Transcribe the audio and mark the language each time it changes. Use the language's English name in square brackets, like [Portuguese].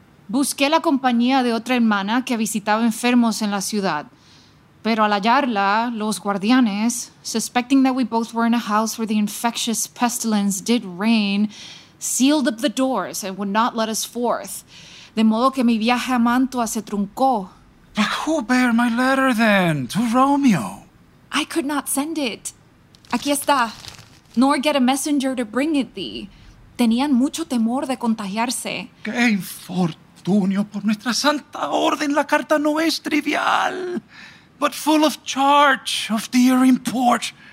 [Spanish] Busqué la compañía de otra hermana que visitaba enfermos en la ciudad. Pero al hallarla, los guardianes, [English] suspecting that we both were in a house where the infectious pestilence did reign, sealed up the doors and would not let us forth. [Spanish] De modo que mi viaje a Mantua se truncó. [English] But who bear my letter then to Romeo? I could not send it. [Spanish] Aquí está. [English] Nor get a messenger to bring it thee. [Spanish] Tenían mucho temor de contagiarse. Qué infortunio por nuestra santa orden. La carta no es trivial, [English] but full of charge of dear import.